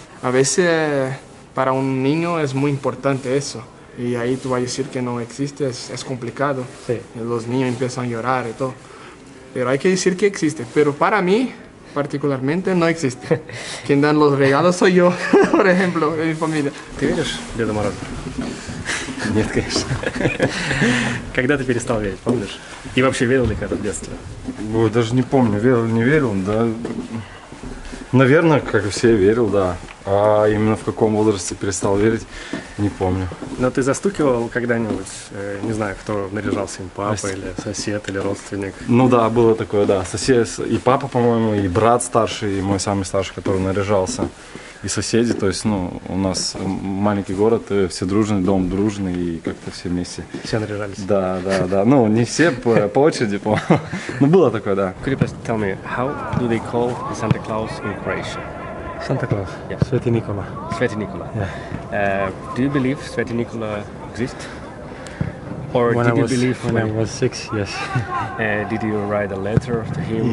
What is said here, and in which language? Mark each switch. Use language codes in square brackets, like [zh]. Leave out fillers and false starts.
[es] A veces para un niño es muy importante eso, y ahí tú vas a decir que no existe, es complicado. Sí. Los niños empiezan a llorar y todo, pero hay que decir que existe, pero para mí, particularmente no existe. Quien dan los regalos soy yo, por ejemplo, en mi familia. ¿Te vienes, Деда Мороз? [ru] Нет, конечно. Когда ты перестал верить, помнишь? И вообще верил ли когда в детстве? Ой, даже не помню, верил или не верил, да. Наверное, как и все, верил, да. А именно в каком возрасте перестал верить, не помню. Но ты застукивал когда-нибудь, не знаю, кто наряжался им, папа или сосед, или родственник? Ну да, было такое, да. Сосед и папа, по-моему, и брат старший, и мой самый старший, который наряжался, и соседи. То есть, ну, у нас маленький город, все дружный, дом дружный, и как-то все вместе. Все наряжались? Да, да, да. Ну, не все по очереди, по-моему. Но было такое, да. [en] Could you please tell me, how do they call Santa Claus in Croatia? Santa Claus. Yeah. [ru] Святой Никола. Святой Никола. [en] Yeah. Do you believe Святой Никола exists? Or when did I you was, believe when I was six? Yes. Did you write a letter to him?